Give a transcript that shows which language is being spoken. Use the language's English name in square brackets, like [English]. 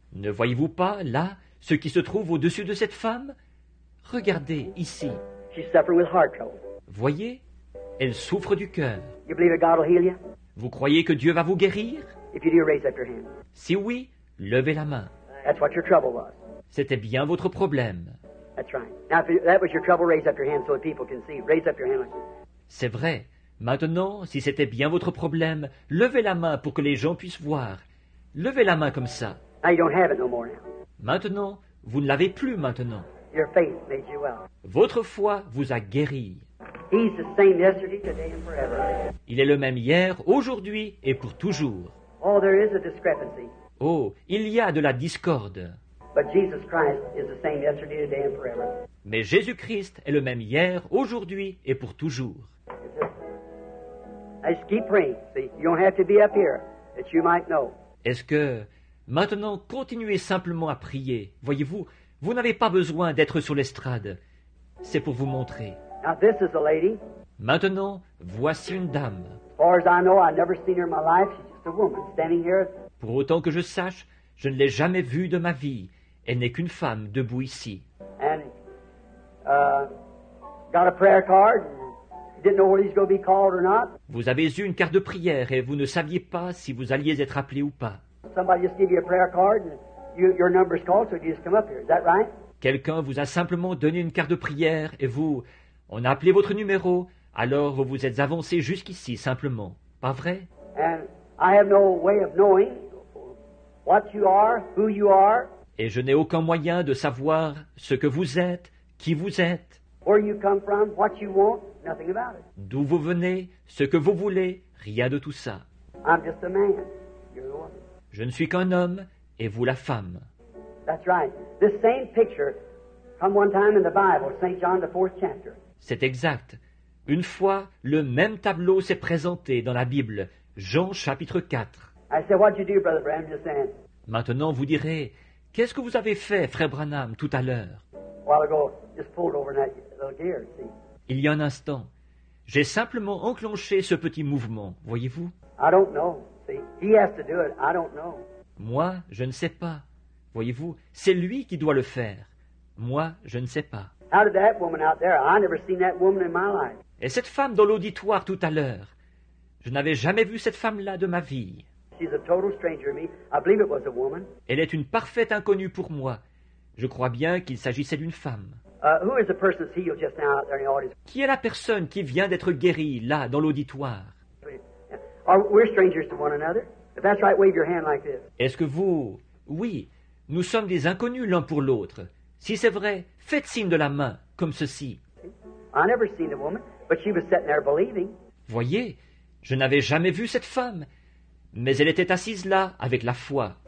[French] Ne voyez-vous pas, là, ce qui se trouve au-dessus de cette femme? Regardez ici. [English] She's suffering with heart trouble. [French] Voyez? Elle souffre du cœur. [English] You believe that God will heal you? [French] Vous croyez que Dieu va vous guérir? [English] If you do, raise up your hand. [French] Si oui, levez la main. [English] That's what your trouble was. [French] C'était bien votre problème. [English] That's right. Now, if that was your trouble, raise up your hand so that people can see. Raise up your hand. [French] C'est vrai. Maintenant, si c'était bien votre problème, levez la main pour que les gens puissent voir. Levez la main comme ça. [English] Now you don't have it no more now. [French] Maintenant, vous ne l'avez plus maintenant. [English] Your faith made you well. [French] Votre foi vous a guéri. [English] He's the same yesterday, today, and forever. [French] Il est le même hier, aujourd'hui et pour toujours. [English] Oh, there is a discrepancy. [French] Oh, il y a de la discorde. [English] But Jesus Christ is the same yesterday, today, and forever. [French] Mais Jésus-Christ est le même hier, aujourd'hui et pour toujours. [English] I just keep praying. See, you don't have to be up here, that you might know. [French] Est-ce que maintenant continuez simplement à prier? Voyez-vous, vous n'avez pas besoin d'être sur l'estrade. C'est pour vous montrer. [English] Now this is a lady. [French] Maintenant, voici une dame. [English] As far as I know, I've never seen her in my life. She's just a woman standing here. [French] Pour autant que je sache, je ne l'ai jamais vue de ma vie. Elle n'est qu'une femme debout ici. [English] And got a prayer card, didn't know whether he's going to be called or not. [French] Vous avez eu une carte de prière et vous ne saviez pas si vous alliez être appelé ou pas. [English] Somebody just gave you a prayer card and your number's called, so you just come up here. Is that right? [French] Quelqu'un vous a simplement donné une carte de prière et vous, on a appelé votre numéro, alors vous vous êtes avancé jusqu'ici simplement. Pas vrai? [English] And I have no way of knowing what you are, who you are. [French] Et je n'ai aucun moyen de savoir ce que vous êtes, qui vous êtes. [English] Where you come from, what you want, nothing about it. [French] D'où vous venez, ce que vous voulez, rien de tout ça. [English] I'm just a man. You're the woman. [French] Je ne suis qu'un homme et vous la femme. [English] That's right. This same picture from one time in the Bible, St. John, the fourth chapter. [French] C'est exact. Une fois, le même tableau s'est présenté dans la Bible, Jean chapitre 4. [English] I said, what did you do, Brother Branham, just then? [French] Maintenant, vous direz, qu'est-ce que vous avez fait, Frère Branham, tout à l'heure? [English] A while ago, just pulled over that little gear, see? [French] Il y a un instant, j'ai simplement enclenché ce petit mouvement, voyez-vous? [English] I don't know, see? He has to do it, I don't know. [French] Moi, je ne sais pas. Voyez-vous, c'est lui qui doit le faire. Moi, je ne sais pas. [English] How did that woman out there? I never seen that woman in my life. [French] Et cette femme dans l'auditoire tout à l'heure, je n'avais jamais vu cette femme-là de ma vie. [English] She's a total stranger to me. I believe it was a woman. [French] Elle est une parfaite inconnue pour moi. Je crois bien qu'il s'agissait d'une femme. [English] Who is the person that's healed just now out there in the audience? [French] Qui est la personne qui vient d'être guérie là dans l'auditoire? [English] We're strangers to one another. If that's right, wave your hand like this. [French] Est-ce que vous? Oui. Nous sommes des inconnus l'un pour l'autre. Si c'est vrai, faites signe de la main, comme ceci. [English] I never seen the woman, but she was sitting there believing. [French] Voyez, je n'avais jamais vu cette femme, mais elle était assise là avec la foi.